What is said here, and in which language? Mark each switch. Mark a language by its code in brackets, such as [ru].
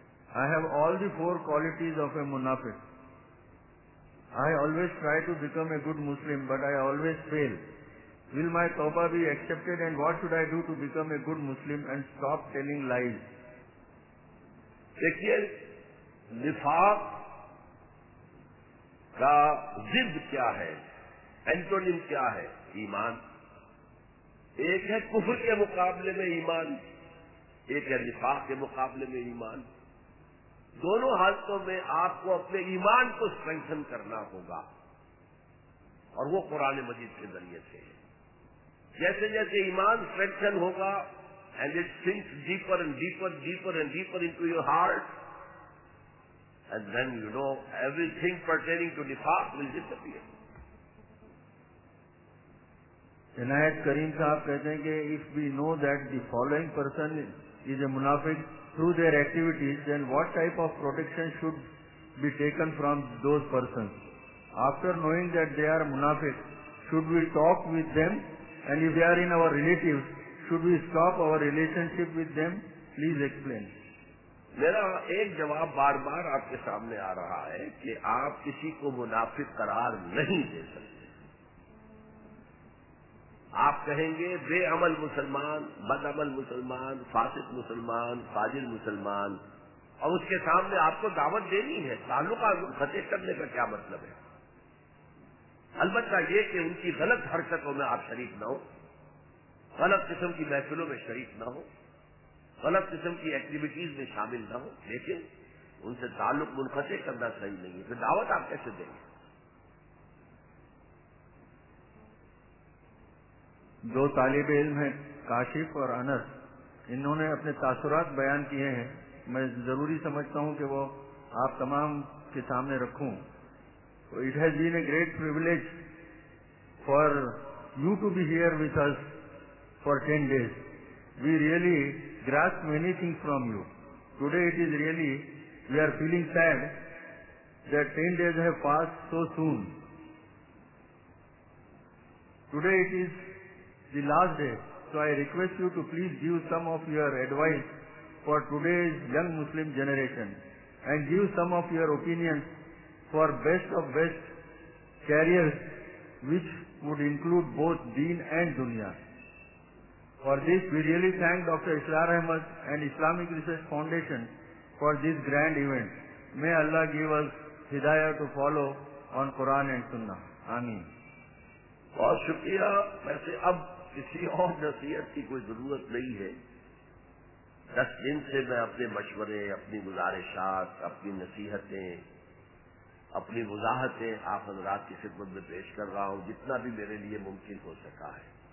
[en] I have all the 4 qualities of a munafiq. I always try to become a good Muslim, but I always fail. Will my tawbah be accepted and what should I do to become a good Muslim and stop telling lies? [hi] देखिए निफाक का जिद क्या है, antonym क्या है ईमान. एक है कुफर के मुकाबले में ईमान, एक है निफाक के मुकाबले में ईमान. दोनों हालतों में आपको अपने ईमान को स्ट्रेंथन करना होगा और वो कुरान मजीद के जरिए से है. जैसे जैसे ईमान स्ट्रेंथन होगा [en] and it sinks deeper and deeper, deeper and deeper into your heart, and then you know everything pertaining to nifaq will disappear. [hi] Inayat Kareem sahab kehte hain ki [en] if we know that the following person is a munafiq through their activities, then what type of protection should be taken from those persons? After knowing that they are munafiq, should we talk with them? And if they are in our relatives, should we stop our relationship with them? Please explain. [hi] मेरा एक जवाब बार बार आपके सामने आ रहा है कि आप किसी को मुनाफिक करार नहीं दे सकते. आप कहेंगे बेअमल मुसलमान, बदअमल मुसलमान, फासिक मुसलमान, फाजिल मुसलमान, और उसके सामने आपको दावत देनी है. ताल्लुका फतेह करने का क्या मतलब है? अलबत्ता ये कि उनकी गलत हरकतों में आप शरीक ना हो, गलत किस्म की महफिलों में शरीक ना हो, गलत किस्म की एक्टिविटीज में शामिल ना हो, लेकिन उनसे ताल्लुक मुनकते करना सही नहीं है. फिर दावत आप कैसे देंगे? दो तालिबे इल्म हैं, काशिफ और अनस, इन्होंने अपने तासुरात बयान किए हैं. मैं जरूरी समझता हूं कि वो आप तमाम के सामने रखूं. [en] It has been a great privilege for you to be here with us for 10 days. We really grasp many things from you. Today it is really, we are feeling sad that 10 days have passed so soon. Today it is the last day, so I request you to please give some of your advice for today's young Muslim generation and give some of your opinions for best of best careers which would include both deen and dunya. For this, we really thank Dr. Islar Ahmed and Islamic Research Foundation for this grand event. May Allah give us hidayah to follow on Quran and Sunnah. Ameen. [hi] बहुत शुक्रिया. वैसे अब किसी और नसीहत की कोई जरूरत नहीं है. 10 दिन से मैं अपने मशवरे, अपनी गुजारिशात, अपनी नसीहतें, अपनी वजाहतें आप हजरात की खिदमत में पेश कर रहा हूं जितना भी मेरे लिए मुमकिन हो सका है.